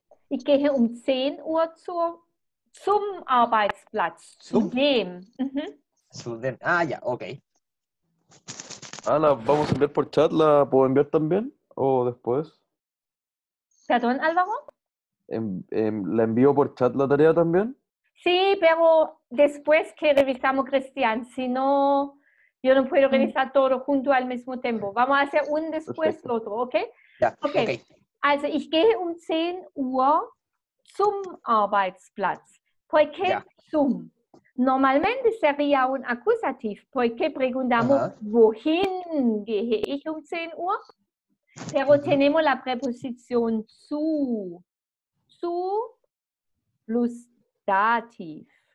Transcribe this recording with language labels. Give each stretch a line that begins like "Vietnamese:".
German: Gehe um 10 Uhr zum Arbeitsplatz, zu Zoom. dem.
Spanish: Ah, ya, okay. Ah, la vamos a enviar por chat, ¿la puedo enviar también? ¿O después? ¿Perdón, Álvaro? ¿La envío por chat la tarea también? Sí, pero después que revisamos, Cristian, si no, yo no puedo revisar todo junto al mismo tiempo. Vamos a hacer un después lo otro, ¿ok? Ya, Ok. okay.
German: Also, ich gehe um 10 Uhr zum Arbeitsplatz.
Spanish: ¿Por qué Ya.
German: zum?
Spanish: Normalmente sería un acusativo. ¿Por qué preguntamos, Ajá.
German: wohin gehe ich um 10 Uhr?
Spanish: Pero tenemos la preposición zu. Zu plus Dativ.